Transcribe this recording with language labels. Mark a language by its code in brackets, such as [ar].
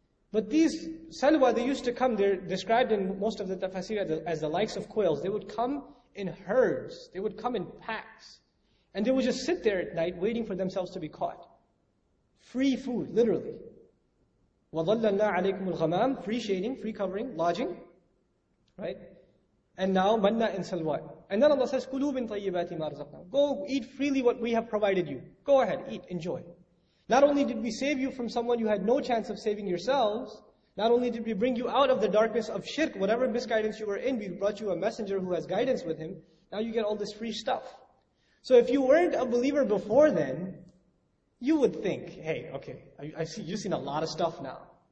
[en] But these salwa, they used to come, they're described in most of the tafsir as the likes of quails. They would come in herds. They would come in packs. And they would just sit there at night waiting for themselves to be caught. Free food, literally. [ar] وَظَلَّلْنَا عَلَيْكُمُ الْغَمَامِ, [en] free shading, free covering, lodging. Right? And now, [ar] مَنَّا إِنْ سَلْوَى. [en] And then Allah says, [ar] كُلُوا مِنْ طَيِّبَاتِ مَا رَزَقْنَا. [en] Go eat freely what we have provided you. Go ahead, eat, enjoy. Not only did we save you from someone you had no chance of saving yourselves, not only did we bring you out of the darkness of shirk, whatever misguidance you were in, we brought you a messenger who has guidance with him, now you get all this free stuff. So if you weren't a believer before then, you would think, hey, okay, you've seen a lot of stuff now.